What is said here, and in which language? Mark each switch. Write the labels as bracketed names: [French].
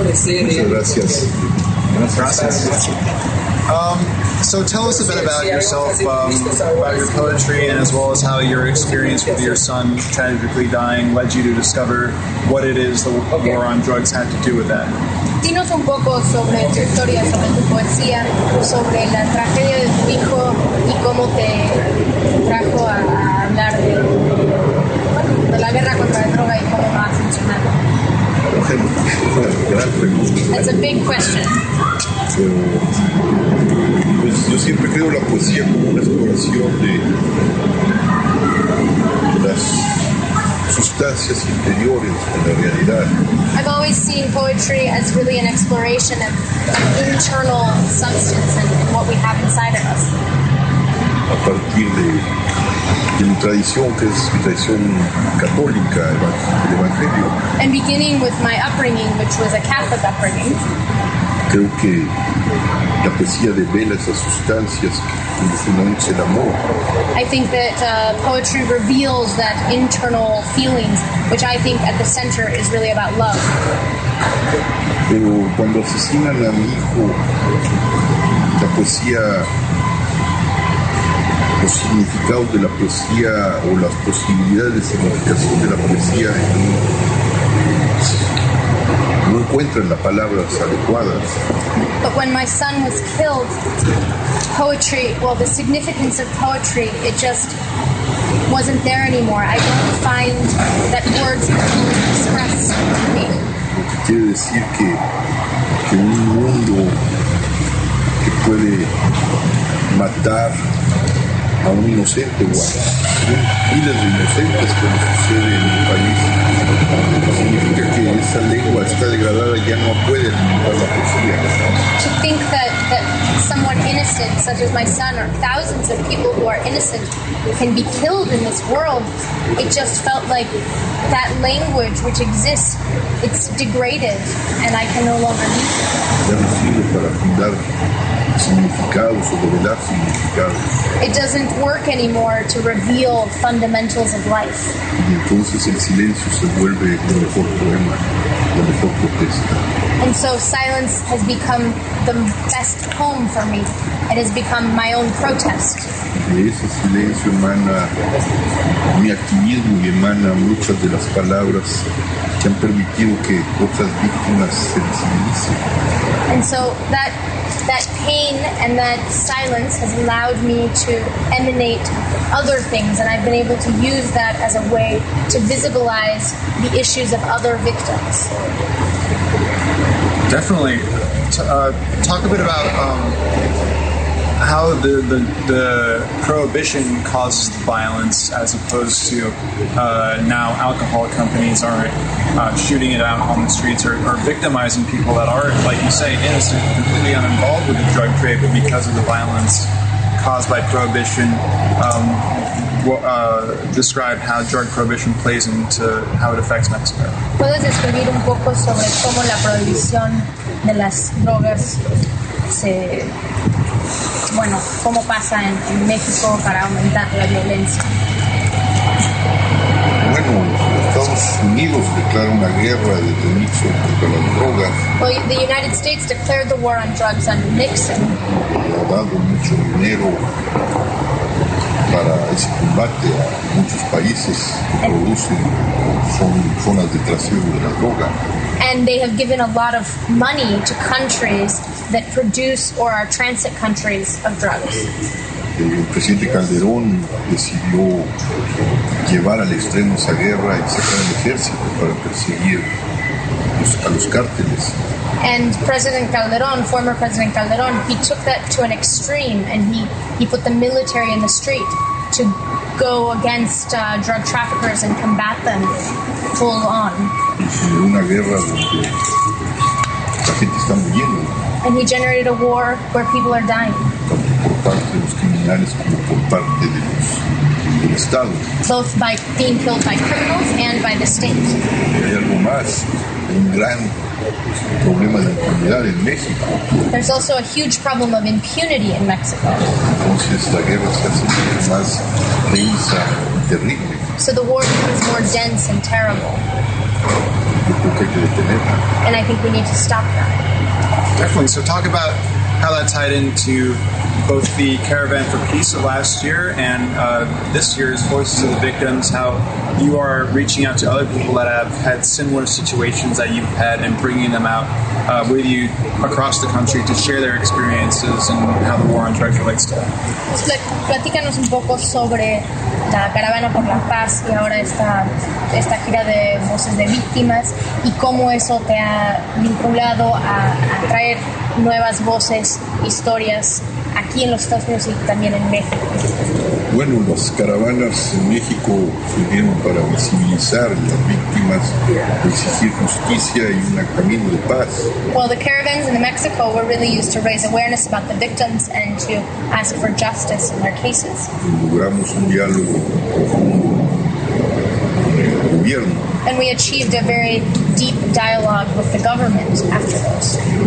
[Spanish] Gracias. Gracias. [English] So tell us a bit about yourself, about your poetry, and as well as how your experience with your son tragically dying led you to discover what it is the war on drugs had to do with that. [Spanish] Dinos un poco sobre tu historia, sobre tu poesía, sobre la tragedia de tu hijo y cómo te trajo a hablar de la guerra contra la droga y cómo va a funcionar. [English] That's a big question. [Spanish] Pues yo siempre creo la poesía como una exploración de las sustancias interiores de la realidad. [English] I've always seen poetry as really an exploration of an internal substance and what we have inside of us. [Spanish] A partir de mi tradición, que es mi tradición católica, el evangelio. [English] And beginning with my upbringing, which was a Catholic upbringing. [Spanish] Creo que la poesía revela esas sustancias que condicionan el amor. [English] I think that poetry reveals that internal feelings, which I think at the center is really about love. [Spanish] Pero cuando asesinan a mi hijo, la poesía, los significados de la poesía o las posibilidades de significación de la poesía en mí, no encuentran las palabras adecuadas. [English] But when my son was killed, poetry, well, the significance of poetry, it just wasn't there anymore. I don't find that words can express me. [Spanish] Quiere decir que un mundo que puede matar a un inocente o a miles de inocentes, como sucede en un país, significa que esa lengua está degradada y ya no puede alimentar la poesía. [English] To think that someone innocent, such as my son, or thousands of people who are innocent, can be killed in this world, it just felt like that language which exists, it's degraded, and I can no longer use it. [Spanish] Ya no sirve para fundar significados o revelar significados. [English] It doesn't work anymore to reveal fundamentals of life. [Spanish] Y entonces el silencio se vuelve el mejor poema, la mejor protesta. [English] And so silence has become the best poem for me. It has become my own protest. [Spanish] De ese silencio emana mi activismo y emana muchas de las palabras que han permitido que otras víctimas se sensibilicen. [English] And so that pain and that silence has allowed me to emanate other things, and I've been able to use that as a way to visibilize the issues of other victims. Definitely. Talk a bit about how the prohibition causes the violence, as opposed to now alcohol companies aren't shooting it out on the streets or victimizing people that are, like you say, innocent, completely uninvolved with the drug trade, but because of the violence caused by prohibition. Describe how drug prohibition plays into how it affects Mexico. [Spanish] ¿Puedes describir un poco sobre cómo la prohibición de las drogas se, bueno, cómo pasa en México para aumentar la violencia? Bueno, Estados Unidos declara una guerra de Nixon contra las drogas. [English] Well, the United States declared the war on drugs under Nixon. [Spanish] Y ha dado mucho dinero para ese combate a muchos países que producen zonas de trasiego de la droga. [English] And they have given a lot of money to countries that produce or are transit countries of drugs. [Spanish] El presidente Calderón decidió llevar al extremo esa guerra y sacar al ejército para perseguir a los cárteles. [English] And President Calderón, former President Calderón, he took that to an extreme, and he put the military in the street to go against drug traffickers and combat them full on. [Spanish] Una guerra donde la gente está muriendo. [English] And he generated a war where people are dying. [Spanish] Tanto por parte de los criminales como por parte de los, del Estado. [English] Both by being killed by criminals and by the state. [Spanish] Y hay algo más, un gran problema de impunidad en México. [English] There's also a huge problem of impunity in Mexico. [Spanish] Entonces, la guerra se hace más densa y terrible. [English] So the war becomes more dense and terrible. [Spanish] Yo creo que hay que detenerla. [English] And I think we need to stop that. Definitely. So talk about how that tied into both the Caravan for Peace of last year and this year's Voices of the Victims, how you are reaching out to other people that have had similar situations that you've had and bringing them out with you across the country to share their experiences and how the war on drugs relates to that. [Spanish] Platícanos un poco sobre la Caravana por la Paz y ahora esta gira de voces de víctimas y cómo eso te ha vinculado a traer nuevas voces, historias aquí en los Estados Unidos y también en México. Bueno, las caravanas en México sirvieron para visibilizar a las víctimas, exigir justicia y un camino de paz. [English] Well, the caravans in Mexico were really used to raise awareness about the victims and to ask for justice in their cases. [Spanish] Logramos un diálogo profundo con el gobierno. [English] And we achieved a very deep dialogue with the government after those.